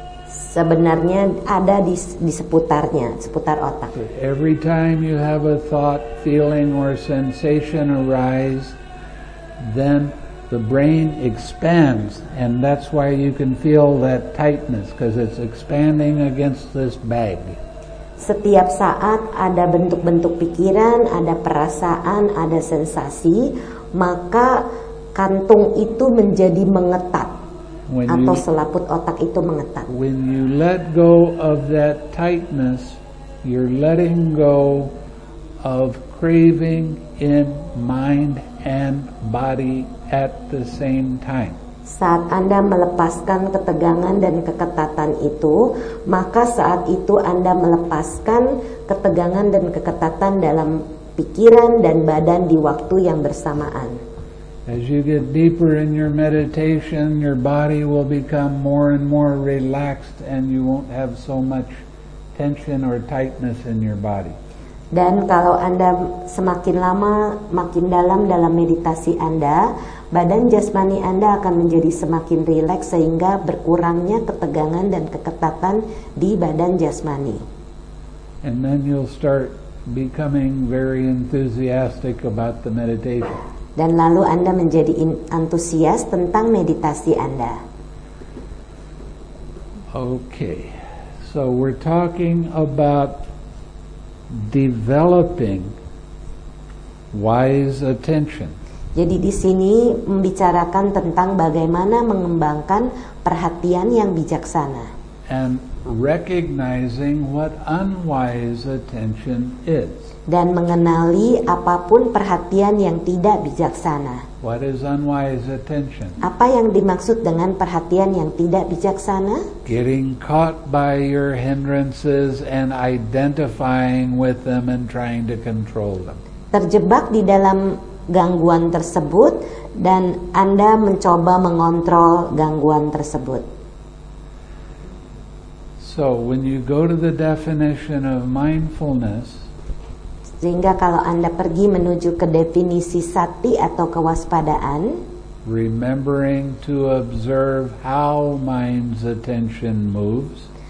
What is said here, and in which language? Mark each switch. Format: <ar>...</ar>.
<id>Sebenarnya ada di seputarnya, seputar otak.</id> <en>Every time you have a thought, feeling, or sensation arise, then the brain expands, and that's why you can feel that tightness, because it's expanding against this bag.</en> <id>Setiap saat ada bentuk-bentuk pikiran, ada perasaan, ada sensasi, maka kantung itu menjadi mengetat. Atau selaput otak itu mengetat.</id> <en>When you let go of that tightness, you're letting go of craving in mind and body at the same time.</en> <id>Saat Anda melepaskan ketegangan dan keketatan itu, maka saat itu Anda melepaskan ketegangan dan keketatan dalam pikiran dan badan di waktu yang bersamaan.</id> <en>As you get deeper in your meditation, your body will become more and more relaxed and you won't have so much tension or tightness in your body.</en> <id>Dan kalau Anda semakin lama, makin dalam dalam meditasi Anda, badan jasmani Anda akan menjadi semakin rileks sehingga berkurangnya ketegangan dan keketatan di badan jasmani.</id> <en>And then you'll start becoming very enthusiastic about the meditation.</en> <id>Dan lalu Anda menjadi antusias tentang meditasi Anda.</id> <en>Okay, so we're talking about developing wise attention.</en> <id>Jadi di sini membicarakan tentang bagaimana mengembangkan perhatian yang bijaksana.</id> <en>And recognizing what unwise attention is.</en> <id>Dan mengenali apapun perhatian yang tidak bijaksana.</id> <en>What is unwise attention?</en> <id>Apa yang dimaksud dengan perhatian yang tidak bijaksana?</id> <en>Getting caught by your hindrances and identifying with them and trying to control them.</en> <id>Terjebak di dalam gangguan tersebut dan Anda mencoba mengontrol gangguan tersebut.</id> <en>So when you go to the definition of mindfulness,</en> <id>Sehingga kalau Anda pergi menuju ke definisi sati atau kewaspadaan,</id> <en>remembering to observe how mind's attention moves,</en>